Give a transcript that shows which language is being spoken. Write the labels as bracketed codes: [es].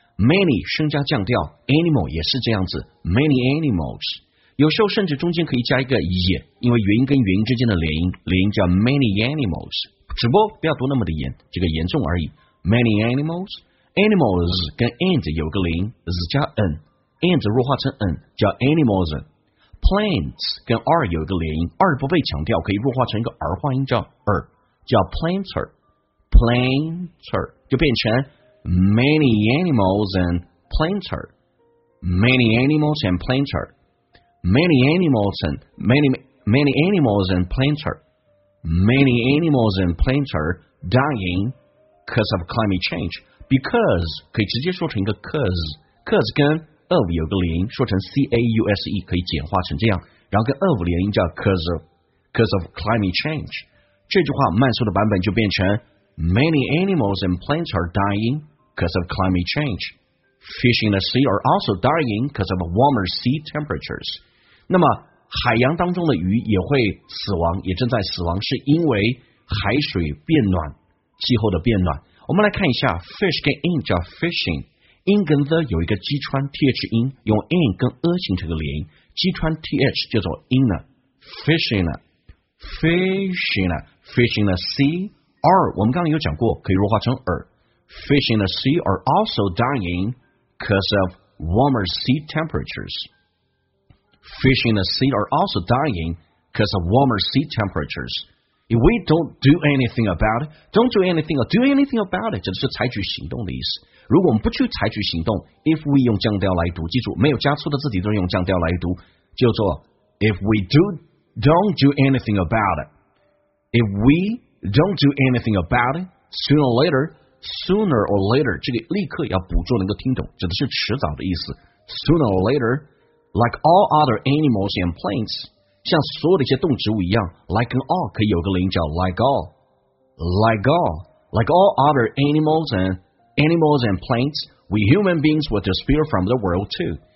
[zh] Many 升加降调 ，animal 也是这样子 ， [en] many animals。 [zh] 有时候甚至中间可以加一个 e， 因为元音跟元音之间的连音，连音叫 many animals， 只不过不要读那么的严，这个严重而已。 Many animals， animals 跟 and 有个连音 ，z 加 n，and 弱化成 n 叫 animals。 Plants 跟 r 有一个连音 ，r 不被强调，可以弱化成一个儿化音叫 r， 叫 planter， 就变成。 [en] Many animals and plants are. Many animals and plants are. Many animals and many animals and plants are. Many animals and plants are dying because of climate change. [zh] Because 可以直接说成一个 cause 跟 of 有个连音，说成 cause 可以简化成这样，然后跟 of 连音叫 [en] cause of climate change. [zh] 这句话慢速的版本就变成 [en] Many animals and plants are dying. Because of climate change, fish in the sea are also dying because of warmer sea temperatures. [zh] 那么海洋当中的鱼也会死亡，也正在死亡，是因为海水变暖，气候的变暖。我们来看一下 fish 跟 in 叫 fishing， in 跟 the 有一个击穿 th in， 用 in 跟 a 形成个连音，击穿 th 叫做 inner fishing， fishing， [en] fishing the sea are [zh] 我们刚刚有讲过，可以弱化成 are。 [en] Fish in the sea are also dying because of warmer sea temperatures. Fish in the sea are also dying because of warmer sea temperatures. If we don't do anything about it, don't do anything or do anything about it, [zh] 这是采取行动的意思。如果我们不去采取行动 [en] ,if we [zh] 用降调来读记住没有加粗的字体都用降调来读叫做 [en] ,if we don't do anything about it, if we don't do anything about it, sooner or later,Sooner or later， [zh] 这个立刻要捕捉能够听懂，指的是迟早的意思。 [en] Sooner or later， like all other animals and plants， [zh] 像所有的一些动植物一样 [en] ，like and all [zh] 可以有个连音叫 [en] like all， like all other animals and animals and plants, we human beings will disappear from the world too.